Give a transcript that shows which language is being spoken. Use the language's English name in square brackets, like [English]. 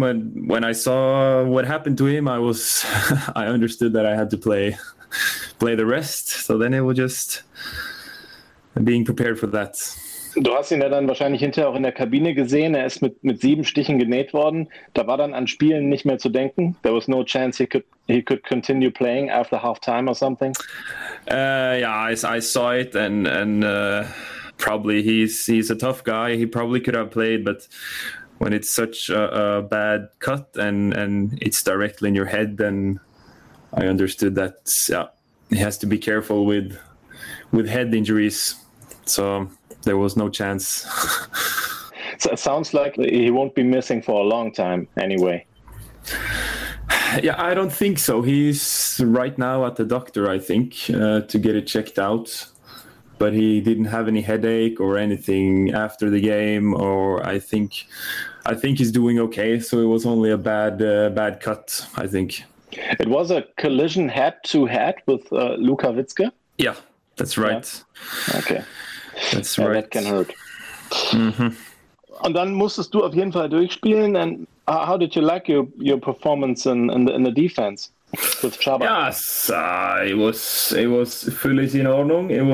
[English] When I saw what happened to him, I understood that I had to play the rest. So then it was just being prepared for that. [German] Du hast ihn ja dann wahrscheinlich hinterher auch in der Kabine gesehen. Er ist mit 7 Stichen genäht worden. Da war dann an Spielen nicht mehr zu denken. [English] There was no chance he could continue playing after halftime or something. I saw it and probably he's a tough guy. He probably could have played, but when it's such a bad cut and it's directly in your head, then I understood that he has to be careful with head injuries. So there was no chance. So it sounds like he won't be missing for a long time anyway. Yeah, I don't think so. He's right now at the doctor, I think, to get it checked out. But he didn't have any headache or anything after the game, or I think he's doing okay. So it was only a bad cut, I think. It was a collision head to head with Luka Witzke. Yeah, that's right. Yeah. Okay, that's right. That can hurt. Mm-hmm. [German] Und dann musstest du auf jeden Fall durchspielen. [English] And how did you like your performance in the defense? With Chaba. Yes, it was fully [German] in Ordnung.